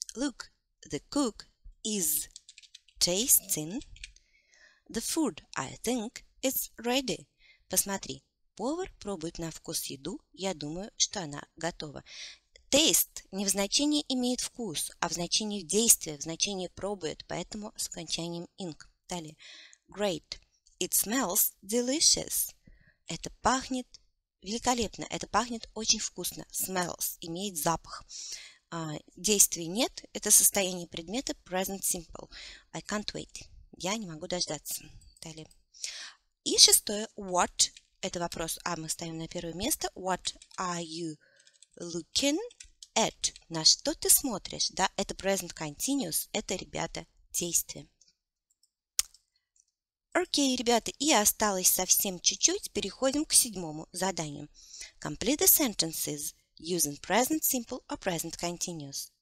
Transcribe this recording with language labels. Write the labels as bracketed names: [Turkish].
[English] Look, the cook is tasting the food, I think it's ready. [Russian] Посмотри, повар пробует на вкус еду, я думаю, что она готова. Taste не в значении имеет вкус, а в значении действия, в значении пробует, поэтому с окончанием ing. Далее. [English] Great, it smells delicious. [Russian] Это пахнет великолепно, это пахнет очень вкусно. Smells имеет запах. Действий нет, это состояние предмета present simple. [English] I can't wait. [Russian] Я не могу дождаться. Далее. И шестое. What? Это вопрос. А мы ставим на первое место. [English] What are you looking at? [Russian] На что ты смотришь? Да, это present continuous. Это, ребята, действие. Окей, ребята, и осталось совсем чуть-чуть. Переходим к седьмому заданию. [English] Complete the sentences using present simple or present continuous.